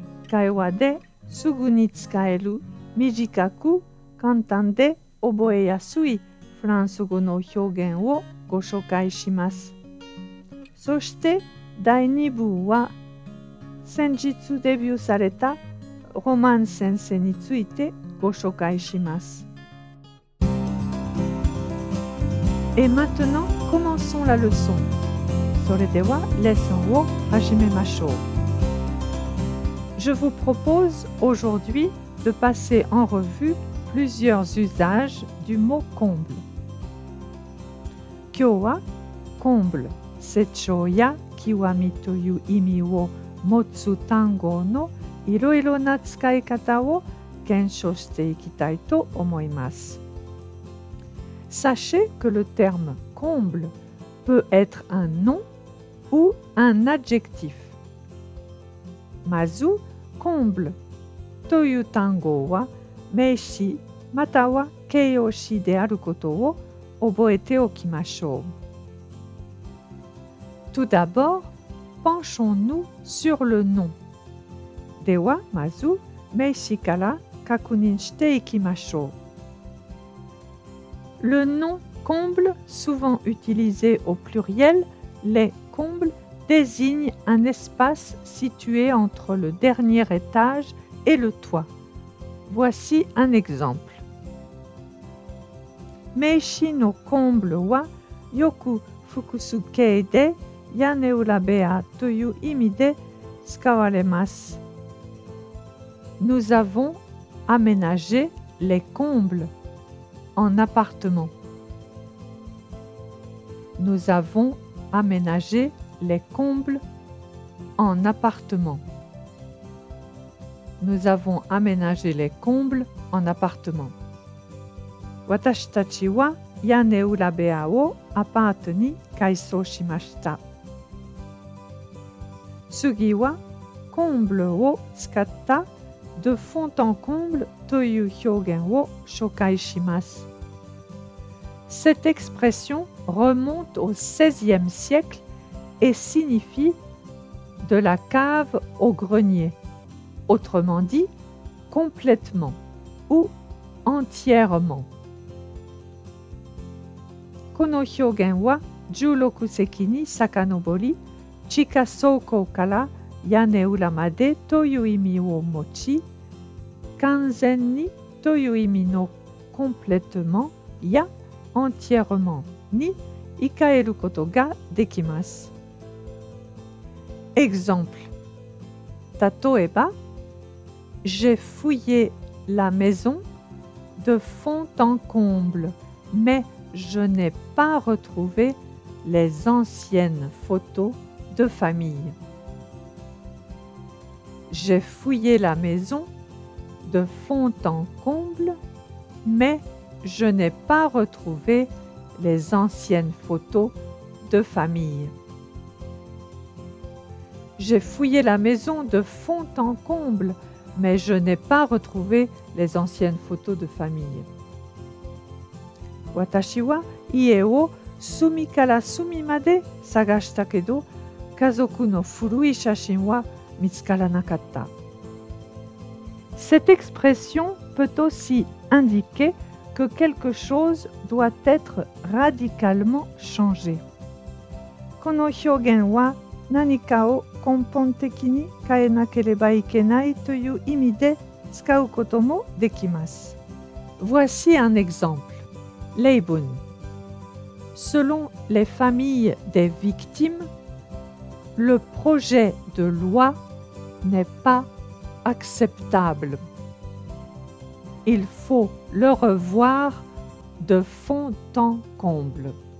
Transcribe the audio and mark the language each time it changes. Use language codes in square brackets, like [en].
[ja] 会話ですぐに使える短く簡単で覚えやすいフランス語の表現をご紹介します。そして第2部は先日デビューされたロマン先生についてご紹介します。 [fr] Et maintenant, commençons la leçon. [ja] それでは、レッスンを始めましょう。 [fr] Je vous propose aujourd'hui de passer en revue plusieurs usages du mot comble. [ja] 今日は、comble、成長や極みという意味を持つ単語のいろいろな使い方を検証していきたいと思います。 [fr] Sachez que le terme comble peut être un nom ou un adjectif. [ja] まず、comble という単語は名詞または形容詞であることを覚えておきましょう。 [fr] Tout d'abord, penchons-nous sur le nom. [ja] では、まず、名詞から確認していきましょう。 [fr] Le nom comble, souvent utilisé au pluriel, les combles désigne un espace situé entre le dernier étage et le toit. Voici un exemple. [ja] 名詞の comble はよく複数形で屋根裏部屋という意味で使われます。 [fr] Nous avons aménager les combles en appartement. Nous avons aménagé les combles en appartement. Nous avons aménagé les combles en appartement. [ja] 私たちは屋根裏部屋をアパートに改装しました。次は、コンブルを使った [fr] 「de fond en comble」 [ja] という表現を紹介します。 [fr] Cette expression remonte au XVIe siècle et signifie « de la cave au grenier », autrement dit « complètement » ou « entièrement ». [ja] この表現は16世紀に遡り、地下倉庫から屋根裏までという意味を持ち、完全にという意味の completement や entièrement に言い換えることができます。 [fr] Exemple [ja] 例えば、 [fr] J'ai fouillé la maison de fond en comble, mais je n'ai pas retrouvé les anciennes photos de famille. J'ai fouillé la maison de fond en comble, mais je n'ai pas retrouvé les anciennes photos de famille. J'ai fouillé la maison de fond en comble, mais je n'ai pas retrouvé les anciennes photos de famille. [ja] 私は家を隅から隅まで探したけど、家族の古い写真は見つからなかった。 [fr] Cette expression peut aussi indiquer que quelque chose doit être radicalement changé. [ja] この表現は何かを根本的に変えなければいけないという意味で使うこともできます。 [fr] Voici un exemple. [ja] Leibun. [fr] Selon les familles des victimes, le projet de loi n'est pas acceptable. Il faut le revoir de fond en comble.